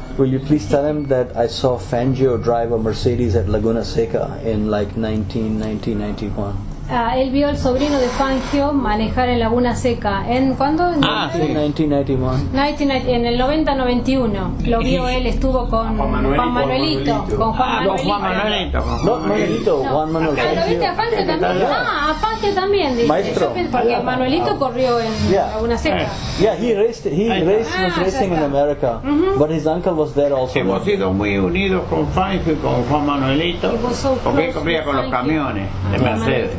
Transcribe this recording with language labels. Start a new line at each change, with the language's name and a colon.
English: Will you please tell him that I saw Fangio drive a Mercedes at Laguna Seca in like 1991?
Spanish: Él vio al sobrino de Fangio manejar en Laguna Seca. ¿En cuándo? Ah, sí, 1991. En el 90-91. Lo vio él, estuvo con Juan Manuelito. Con Juan Manuelito. No, Juan Manuelito. Juan Manuelito. ¿Lo viste a Fangio también? Ah, a Fangio también. Maestro. Porque Manuelito corrió en Laguna Seca.
English: Yeah, he was racing in America, but his uncle was there also.
Spanish: Hemos sido muy unidos con Fangio, con Juan Manuelito, porque corría con los camiones de Mercedes.